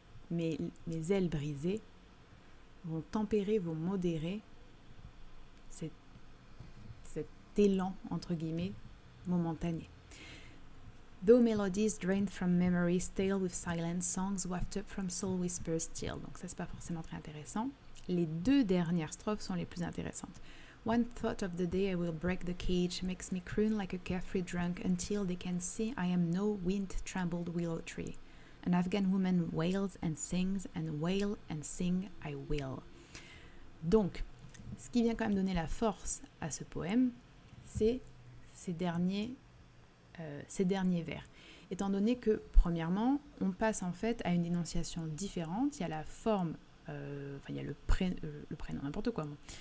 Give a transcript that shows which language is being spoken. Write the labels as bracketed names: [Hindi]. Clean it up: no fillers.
[French] Mes ailes brisées vont tempérer, vont modérer cet élan, entre guillemets, momentané. [English] Though melodies drained from memory, stale with silent songs wafted up from soul whispers still. [French] Donc ça, c'est pas forcément très intéressant. Les deux dernières strophes sont les plus intéressantes. [English] One thought of the day I will break the cage makes me croon like a carefree drunk until they can see I am no wind-trembled willow tree. An Afghan woman wails and sings and wail and sing I will. [French] Donc, ce qui vient quand même donner la force à ce poème, c'est ces derniers vers. Étant donné que, premièrement, on passe en fait à une énonciation différente, il y a la forme, il y a le prénom, n'importe quoi, bon.